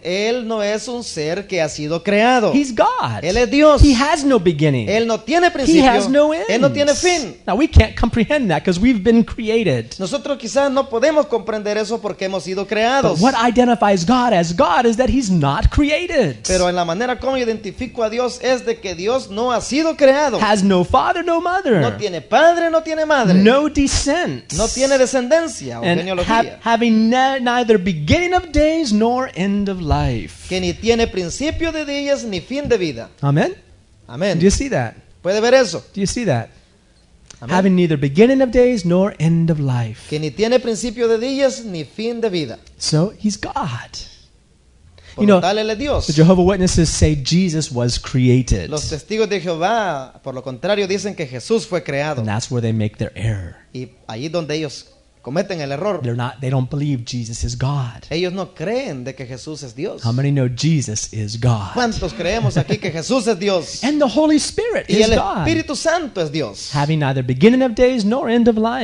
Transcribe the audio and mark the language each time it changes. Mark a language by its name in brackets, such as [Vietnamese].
[Spanish] Él no es un ser que ha sido creado. [English] He's God. [Spanish] Él es Dios. [English] He has no beginning. [Spanish] Él no tiene principio. [English] He has no end. [Spanish] Él no tiene fin. [English] Now we can't comprehend that because we've been created. [Spanish] Nosotros quizás no podemos comprender eso porque hemos sido creados. [English] But what identifies God as God is that he's not created. [Spanish] Pero en la manera como identifico a Dios es de que Dios no ha sido creado. [English] Has no father, no mother. [Spanish] No tiene padre, no tiene madre. [English] No descent. [Spanish] No tiene descendencia o genealogía. [English] Having neither beginning of days nor end of life. [Spanish] Que ni tiene principio de días ni fin de vida. [English] Amen. [Spanish] Amen. [English] Do you see that? [Spanish] ¿Puede ver eso? [English] Do you see that? Amen. Having neither beginning of days nor end of life. [Spanish] Que ni tiene principio de días ni fin de vida. [English] So he's God. You know, [Spanish] tal, él es Dios. [English] The Jehovah Witnesses say Jesus was created. [Spanish] Los testigos de Jehová, por lo contrario, dicen que Jesús fue creado. [English] And that's where they make their error. [Spanish] Y allí donde ellos cometen el error. [English] They don't believe Jesus is God. [Spanish] Ellos no creen de que Jesús es Dios. [English] How many know Jesus is God? [Spanish] ¿Cuántos creemos aquí que Jesús es Dios? [English] And the Holy Spirit [Spanish] y [English] is [Spanish] el Espíritu [English] God. [Spanish] Santo es Dios. [English] Having neither beginning of days nor end of life.